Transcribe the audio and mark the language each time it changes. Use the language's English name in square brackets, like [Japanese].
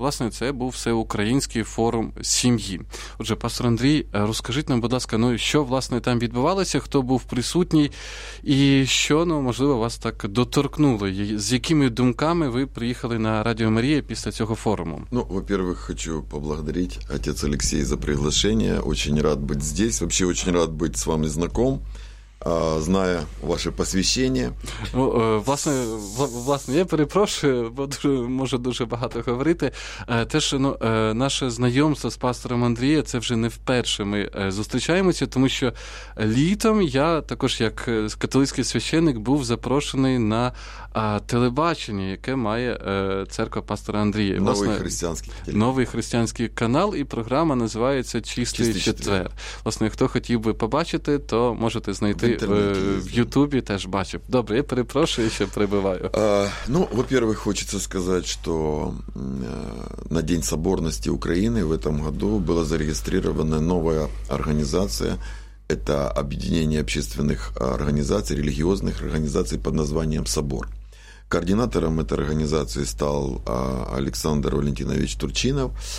[Ukrainian] Власне, це був всеукраїнський форум сім'ї. Отже, пастор Андрій, розкажіть нам, будь ласка, що, власне, там відбувалося, хто був присутній і що, можливо, вас так доторкнуло, з якими думками ви приїхали на Радіо Марія після цього форуму? [Russian] Ну, во-первых, хочу поблагодарить отец Алексей за приглашение. Очень рад быть здесь, вообще очень рад быть с вами знаком. Зная ваше посвящение. [Ukrainian] Ну, власне, я перепрошую, бо можу дуже багато говорити. Теж, наше знайомство з пастором Андрієм, це вже не вперше ми зустрічаємося, тому що літом я також, як католицький священник, був запрошений на телебачення, яке має церква пастора Андрія. Новий християнський канал, і програма називається «Чистий четвер». Власне, хто хотів би побачити, то можете знайти в Ютубі, теж бачив. Добре, я перепрошую, що прибиваю. [Russian] Во-первых, [Ukrainian] хочеться сказати, що на День Соборності України в цьому році була зареєстрована нова організація. Це об'єднання общественних організацій, релігіозних організацій під названням «Собор». [Russian] Координатором этой организации стал Александр Валентинович Турчинов.